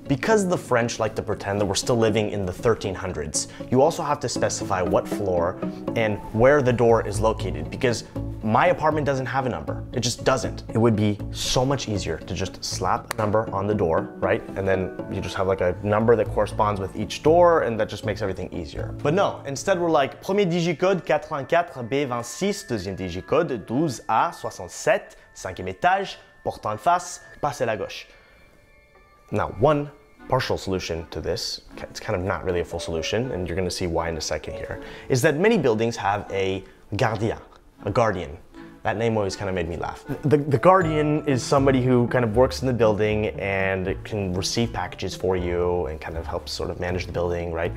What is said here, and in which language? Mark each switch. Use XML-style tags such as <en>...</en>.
<en>Because the French like to pretend that we're still living in the 1300s, you also have to specify what floor and where the door is located, because my apartment doesn't have a number. It just doesn't. It would be so much easier to just slap a number on the door, right? And then you just have like a number that corresponds with each door, and that just makes everything easier. But no, instead we're like,</en> <fr>premier digicode 84B26, deuxième digicode 12A67, cinquième étage, porte en face, passez la gauche.</fr> <en>Now, one partial solution to this, it's kind of not really a full solution, and you're gonna see why in a second here, is that many buildings have a gardien. A guardian. That name always kind of made me laugh. The guardian is somebody who kind of works in the building and can receive packages for you and kind of helps sort of manage the building, right?</en>